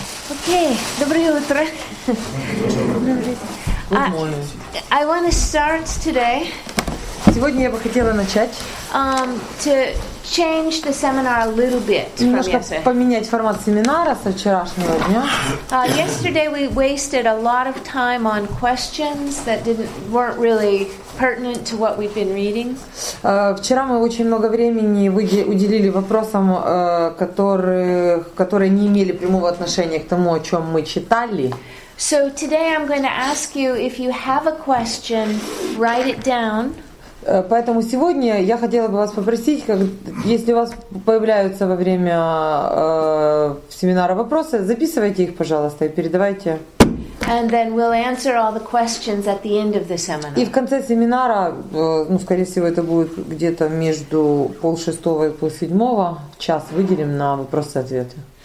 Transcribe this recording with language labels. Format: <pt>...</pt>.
<ru>Окей, доброе утро.</ru> <en>Good morning. I want to start today.</en> <ru>Сегодня я бы хотела начать.</ru> <en>To change the seminar a little bit.</en> <ru>Немножко поменять формат семинара с вчерашнего дня.</ru> <en>Yesterday we wasted a lot of time on questions that weren't really pertinent to what we've been reading.</en> <ru>Вчера мы очень много времени уделили вопросам, которые не имели прямого отношения к тому, о чем мы читали.</ru> <en>So today I'm going to ask you if you have a question, write it down.</en> <ru>Поэтому сегодня я хотела бы вас попросить, как, если у вас появляются во время семинара вопросы, записывайте их, пожалуйста, и передавайте.</ru> <en>And then we'll answer all the questions at the end of the seminar.</en> <ru>И в конце семинара, ну, скорее всего, это будет где-то между 6:30 и 7:30, час выделим на вопросы-ответы.</ru>